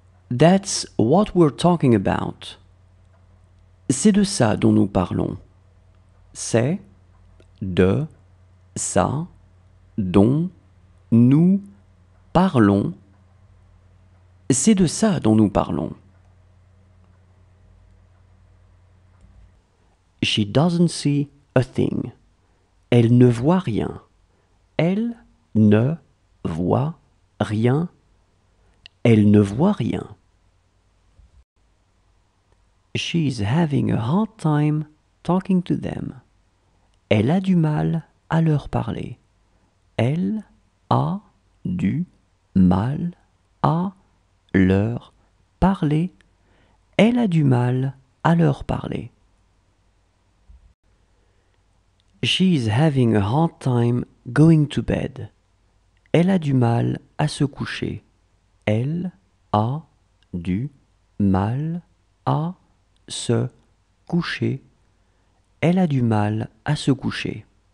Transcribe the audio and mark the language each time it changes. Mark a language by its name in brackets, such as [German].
[English] That's what we're talking about. [French] C'est de ça dont nous parlons. C'est de ça dont nous parlons. C'est de ça dont nous parlons. [English] She doesn't see a thing. [French] Elle ne voit rien. Elle ne voit rien. Elle ne voit rien. [English] She's having a hard time talking to them. [French] Elle a du mal à leur parler. Elle a du mal à leur parler. Elle a du mal à leur parler. [English] She's having a hard time going to bed. [French] Elle a du mal à se coucher. Elle a du mal à se coucher. Elle a du mal à se coucher.